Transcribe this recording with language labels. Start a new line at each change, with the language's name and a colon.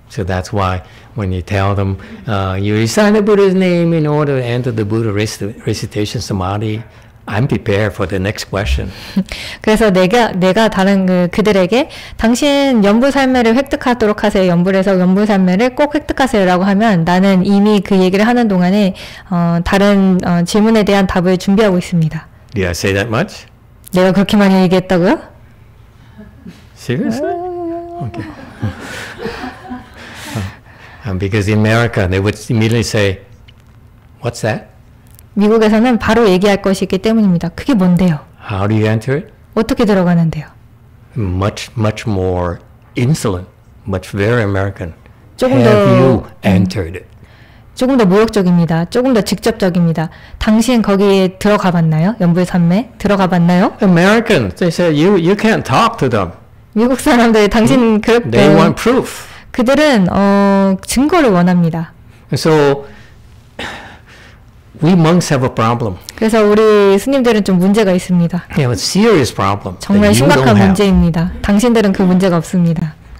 English: So that's why when you tell them, you recite the Buddha's name in order to enter the Buddha recitation samadhi, I'm prepared for the next question.
Korean: 그래서 내가 다른 그들에게 당신 연불삼매를 획득하도록 하세요. 연불에서 연불삼매를 꼭 획득하세요라고 하면 나는 이미 그 얘기를 하는 동안에 다른 질문에 대한 답을 준비하고 있습니다.
English: Did I say that much?
Korean: 내가 그렇게 많이 얘기했다고요?
English: Seriously? Okay. Because in America they would immediately say, "What's that?"
Korean: 미국에서는 바로 얘기할 것이기 때문입니다. 그게 뭔데요?
English: How do you enter it?
Korean: 어떻게 들어가는데요?
English: Much, much more insolent, much very American.
Korean: 조금
English: Have
Korean: 더,
English: you entered it?
Korean: 조금 더 모욕적입니다. 조금 더 직접적입니다. 당신 거기에 들어가 봤나요? 연불산매 들어가 봤나요?
English: American, they say you can't talk to them.
Korean: 미국 사람들이 당신 그렇게
English: They want proof.
Korean: 그들은 증거를 원합니다.
English: So we monks have a problem.
Korean: 그래서 우리 스님들은 좀 문제가 있습니다.
English: Yeah, a serious problem.
Korean: 정말 심각한 문제입니다.
English: Have.
Korean: 당신들은 그 문제가 없습니다.